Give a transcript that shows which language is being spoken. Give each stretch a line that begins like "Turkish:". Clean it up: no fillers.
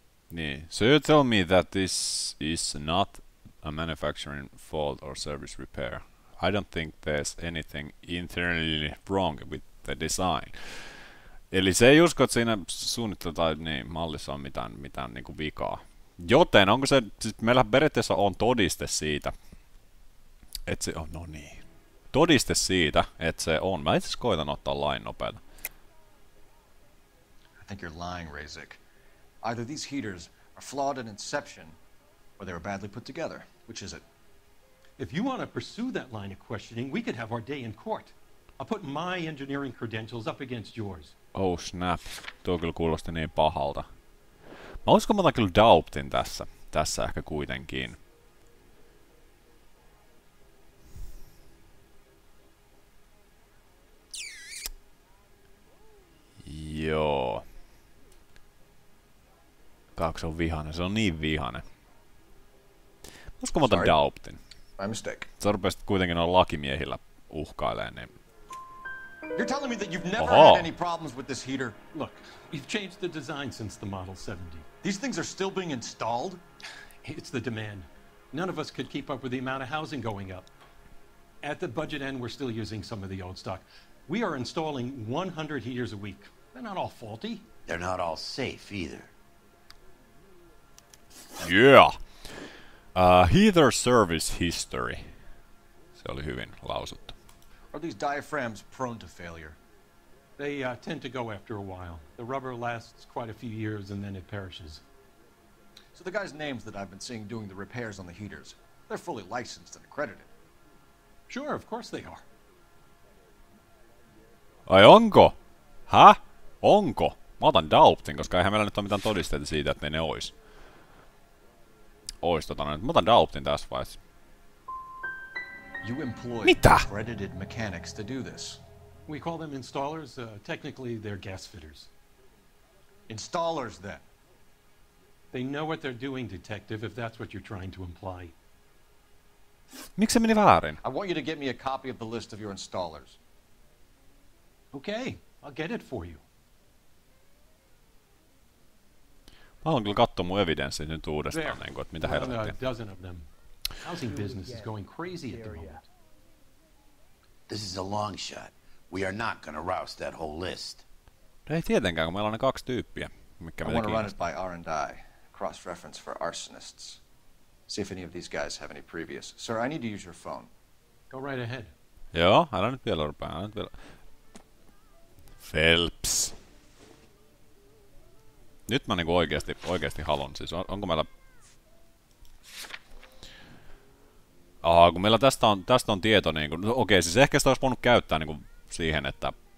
Finnish: Niin,
English: so you tell me that this is not a manufacturing fault or service repair. I don't think there's anything internally wrong with the design.
Finnish: Eli se ei usko, että siinä suunnittelussa tai niin, mallissa on mitään niin kuin vikaa. Joten onko se, siis meillä periaatteessa on todiste siitä, että se on, todiste siitä, että se on. Mä itse koitan ottaa lain nopeata.
English: I think you're lying, Razik. Either these heaters are flawed in inception, or they were badly put together. Which is it? If you want to pursue that line of questioning, we could have our day in court. I'll put my engineering credentials up against yours. Oh snap.
Finnish: Tuo kyllä kuulosti niin pahalta. Mä uskon, mä otan kyllä doubtin tässä ehkä kuitenkin. Kaksi on vihane. Se on niin vihane. Olisiko mä otan Daubtin?
English: My mistake.
Finnish: Sä rupesit kuitenkin noin lakimiehillä uhkailemaan, niin...
English: You're telling me that you've never had any problems with this heater? Look, we've changed the design since the Model 70. These things are still being installed? It's the demand. None of us could keep up with the amount of housing going up. At the budget end, we're still using some of the old stock. We are installing 100 heaters a week. They're not all faulty. They're not all safe either. Yeah. Heater service history.
Finnish: Se oli hyvin lausuttu.
English: Are these diaphragms prone to failure? They tend to go after a while. The rubber lasts quite a few years and then it perishes. So the guy's names that I've been seeing doing the repairs on the heaters, they're fully licensed and accredited. Sure, of course they are.
Finnish: Ai onko? Häh? Onko? Mä otan Daubtin, koska eihän meillä nyt ole mitään todisteita siitä, että ne olisi. Ois totta, mä otan Daubtin tässä vaiheessa.
English: You employ accredited mechanics to do this. We call them installers. Technically, they're gas fitters. Installers, then? They know what they're doing, detective, if that's what you're trying to imply.
Finnish: Miks se meni väärin?
English: I want you to get me a copy of the list of your installers. Okay, I'll get it for you.
Finnish: Mä haluan kyllä katsoa mun evidenssi nyt uudestaan, niin kuin, että mitä herrattiin.
English: There are a dozen of them. Housing business is going crazy at the moment. This is a long shot. We are not going to roust that whole list.
Finnish: Ei tietenkään, kun meillä on ne kaksi tyyppiä, mitkä me tekemme.
English: I want to run it by R&I, cross-reference for arsonists. See if any of these guys have any previous. Sir, I need to use your phone. Go right ahead.
Finnish: Joo, älä nyt vielä rupea, älä nyt vielä. Phelps. Nyt mä niinku oikeesti haluan, siis onko meillä... Ahaa, kun meillä tästä on tieto niinku, no okei, siis ehkä sitä olisi voinut käyttää niinku siihen, että...